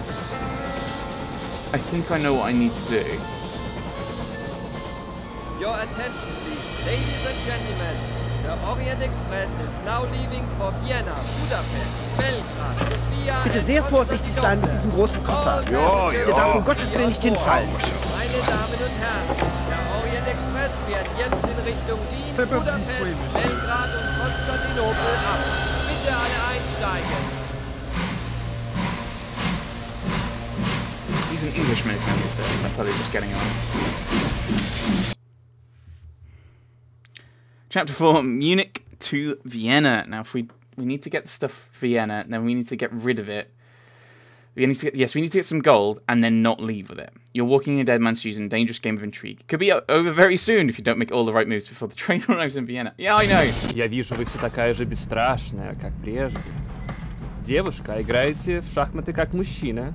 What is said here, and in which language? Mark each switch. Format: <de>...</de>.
<en>I think I know what I need to do. Your attention, please. Ladies and gentlemen, the Orient Express is now leaving for Vienna, Budapest.</en> <de>Bitte sehr vorsichtig sein mit diesem großen Koffer. Ihr darf um Gottes Willen nicht hinfallen. Meine Damen und Herren, der Orient Express fährt jetzt in Richtung Wien, Budapest, Belgrad und Konstantinopel ab. Bitte alle einsteigen.</de> <en>He's an Englishman, can you say? He's not probably just getting on. Chapter 4, Munich to Vienna. Now, if we need to get the stuff Vienna, and then we need to get rid of it. We need to get some gold, and then not leave with it. You're walking in a dead man's shoes in a dangerous game of intrigue. Could be over very soon if you don't make all the right moves before the train arrives in Vienna. Yeah, I know.</en> <ru>Я вижу, вы все такая же бесстрашная, как прежде. Девушка, играете в шахматы как мужчина?</ru>